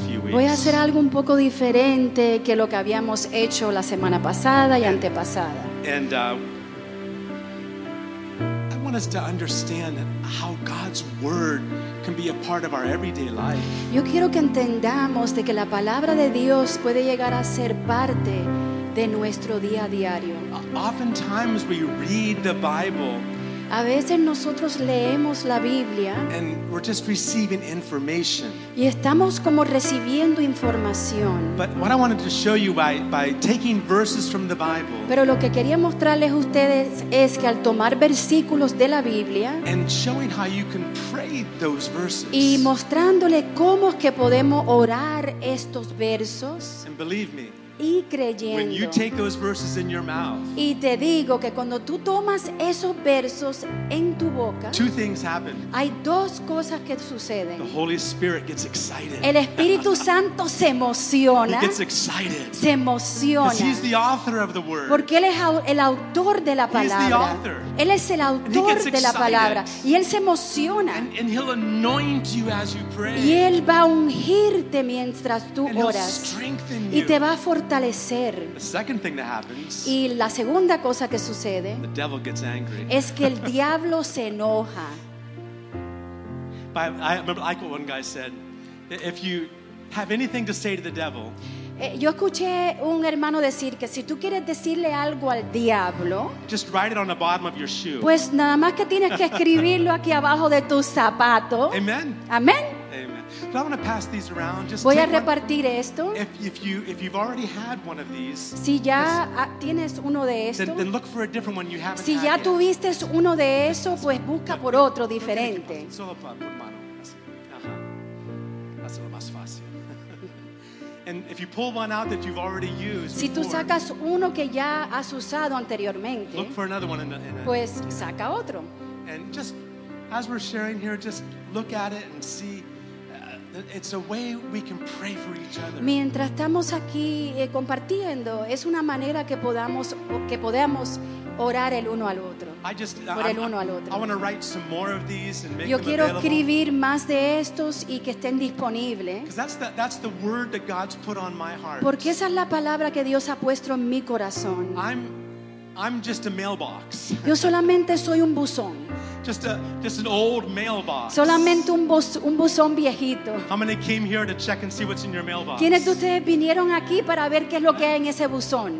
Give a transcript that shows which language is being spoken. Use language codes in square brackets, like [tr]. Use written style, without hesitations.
[es] Voy a hacer algo un poco diferente que lo que habíamos hecho la semana pasada y antepasada. [en] I want us to understand how God's word can be a part of our everyday life. [es] Yo quiero que entendamos de que la palabra de Dios puede llegar a ser parte de nuestro día a diario. [en] Oftentimes we read the Bible. [es] A veces nosotros leemos la Biblia. [en] And we're just receiving information. [es] Y estamos como recibiendo información. [en] But what I wanted to show you by taking verses from the Bible. [es] Pero lo que quería mostrarles a ustedes es que al tomar versículos de la Biblia. [en] And showing how you can pray those verses. [es] Y mostrándole cómo es que podemos orar estos versos. [en] And believe me. [es] Y creyendo. [en] When you take those verses in your mouth, [es] y te digo que cuando tú tomas esos versos en tu boca, [en] two things happen. [es] Hay dos cosas que suceden. [en] The Holy Spirit gets excited. [es] El Espíritu Santo se emociona. [en] He gets excited. [es] Se emociona. [en] He's the author of the word. [es] Porque él es el autor de la palabra. [en] He's the author. [es] Él es el autor de la palabra. Y él se emociona. [en] And he'll anoint you as you pray. [es] Y él va a ungirte mientras tú [en] and [es] oras. [en] He'll strengthen you. [es] Y te va a fortalecer. [en] The second thing that happens, [es] y la segunda cosa que sucede, [en] the devil gets angry. [es] Es que el diablo se enoja. [en] But I remember like what one guy said, if you have anything to say to the devil, [es] yo escuché un hermano decir que si tú quieres decirle algo al diablo, [en] just write it on the bottom of your shoe. [es] Pues nada más que tienes que escribirlo aquí abajo de tu zapato. [en] Amen. [es] Amén. [en] But I want to pass these around. Just [es] voy a repartir [en] one. [es] Esto. [en] If you've already had one of these, [es] si ya tienes uno de estos, [en] then look for a different one you haven't [es] si [en] had. [es] Si ya tuviste uno de esos, pues busca por otro diferente. Solo por mano. Ajá. Hazlo más fácil. [en] And if you pull one out that you've already used, [es] si tú sacas uno que ya has usado anteriormente, [en] look for another one in a, [es] pues saca otro. [en] And just as we're sharing here, just look at it and see. It's a way we can pray for each other. [es] Mientras estamos aquí compartiendo, es una manera que podamos orar el uno al otro. [en] I want to write some more of these and make them available. [es] Yo quiero escribir más de estos y que estén disponibles. [en] Because that's the word that God's put on my heart. [es] Porque esa es la palabra que Dios ha puesto en mi corazón. [en] I'm just a mailbox. [es] Yo solamente soy un buzón. [en] Just an old mailbox. [es] Solamente un buzón viejito. [en] How many came here to check and see what's in your mailbox? [es] ¿Quiénes de ustedes vinieron aquí para ver qué es lo que hay en ese buzón?